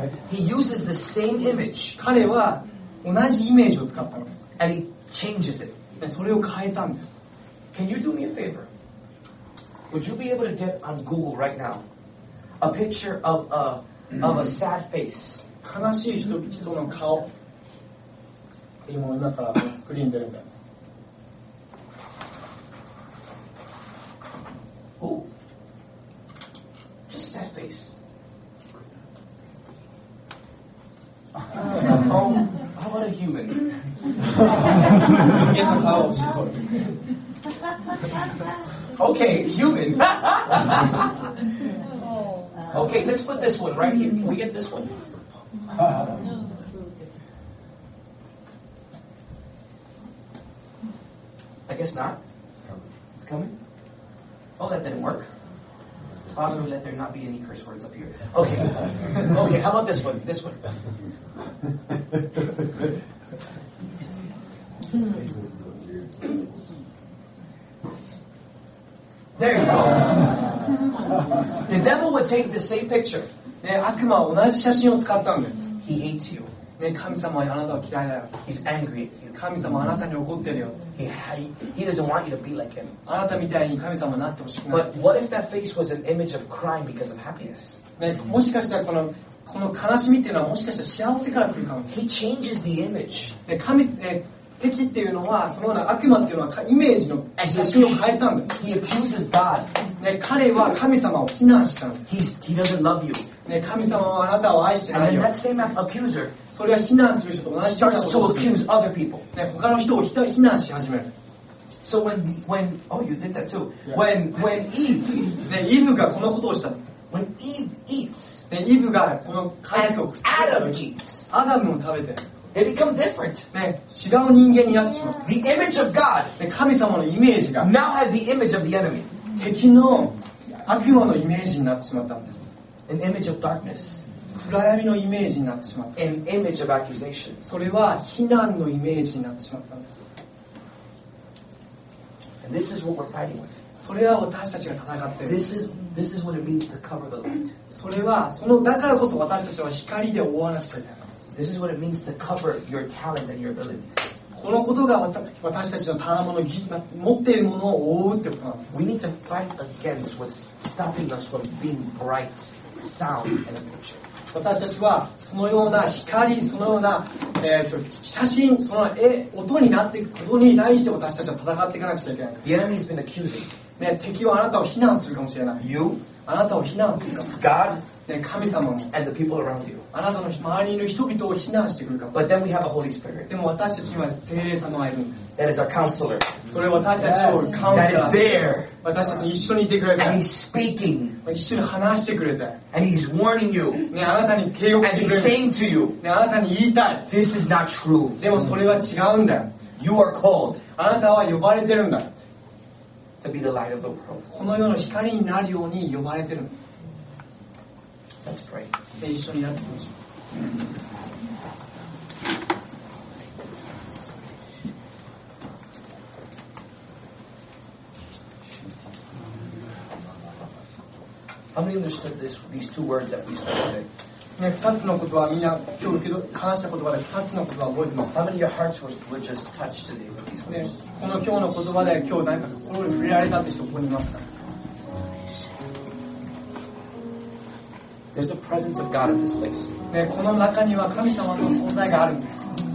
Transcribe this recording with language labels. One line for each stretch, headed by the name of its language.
English: He uses the same image, and he changes it. Can you do me a favor? Would you be able to get on Google right now a picture of a sad face?
Japanese: 悲しい人々の顔。今からスクリーンに出るんです。
English: Can you do me a favor? って。Just sad face. Oh, how about a human?
Japanese: 人間の顔を知る。
English: Okay, human. Okay, let's put this one right here. Can we get this one? I guess not. It's coming. Oh, that didn't work. Father, let there not be any curse words up here. Okay, how about this one? This one. There you go. The devil would take the same picture.
Japanese: 네, 悪魔は同じ写真を使ったんです。
English: He hates you.
Japanese: 네, 神様はあなたを嫌いだよ。
English: He's angry.
Japanese: 神様はあなたに怒ってるよ。
English: He doesn't want you to be like him.
Japanese: あなたみたいに神様になってほしくない。
English: But what if that face was an image of crying because of happiness?
Japanese: 네, もしかしたらこの悲しみっていうのはもしかしたら幸せから来るかも。
English: He changes the image.
Japanese: 네, 敵っていうのはそのような悪魔っていうのはイメージの写真を変えたんです。
English: He accuses God.
Japanese: ね、彼は神様を非難したんです。
English: He doesn't love you.
Japanese: ね、神様はあなたを愛してないよ。
English: And that same accuser,
Japanese: それは非難する人と同じようなこと。
English: Starts to accuse other people.
Japanese: ね、他の人を非難し始める。
English: So when oh you did that too. Yeah. When Eve,
Japanese: ね、イブがこのことをした。
English: When Eve eats,
Japanese: ね、イブがこの果実を食って、
English: Adam eats,
Japanese: アダムを食べて。
English: They become different.
Japanese: ね、違う人間になってしまう。
English: The image of God.
Japanese: ね、神様のイメージが。
English: Now has the image of the enemy.
Japanese: 敵の悪魔のイメージになってしまったんです。
English: An image of darkness.
Japanese: 暗闇のイメージになってしまった。
English: An image of accusation.
Japanese: それは非難のイメージになってしまったんです。
English: And this is what we're fighting with.
Japanese: それは私たちが戦っている。
English: This is what it means to cover the light.
Japanese: それはそのだからこそ私たちは光で覆わなくちゃいけない。
English: This is what it means to cover your talent and your abilities.
Japanese: このことが私たちの賜物の持っているものを覆うってことなんです。
English: We need to fight against what's stopping us from being bright, sound, and a picture.
Japanese: 私たちはそのような光、そのような、写真、その絵、音になっていくことに対して私たちは戦っていかなくちゃいけない。
English: The enemy has been accusing.
Japanese: 내 敵はあなたを非難するかもしれない。
English: You?
Japanese: あなたを非難するかもしれない。
English: God?
Japanese: 네、神様も。
English: And the people around you.
Japanese: あなたの周りにいる人々を非難してくるかも。
English: But then we have a Holy Spirit.
Japanese: でも私たちには聖霊様がいるんです。
English: That is our counselor.
Japanese: それは私たちを、
English: counselor. That is there.
Japanese: 私たちに一緒にいてくれて。
English: And he's speaking.
Japanese: 一緒に話してくれて。
English: And he's warning you.
Japanese: 네、あなたに警告してくれて。
English: And he's saying to you.
Japanese: 네、あなたに言いたい。
English: This is not true.
Japanese: でもそれは違うんだ。
English: You are called.
Japanese: あなたは呼ばれてるんだ。
English: To be the light of the world.
Japanese: この世の光になるように呼ばれてる。
English: Let's pray.
Japanese: 一緒になってください。
English: How many understood this, these two words that we spoke today?
Japanese: ね、2つのことはみんな今日話した言葉で2つのことは覚えてます。
English: How many of your hearts were just touched today with these words?
Japanese: この今日の言葉で今日何か心に触れられたって人ここにいますか？
English: There's a presence of God in this place.
Japanese: ね、この中には神様の存在があるんです。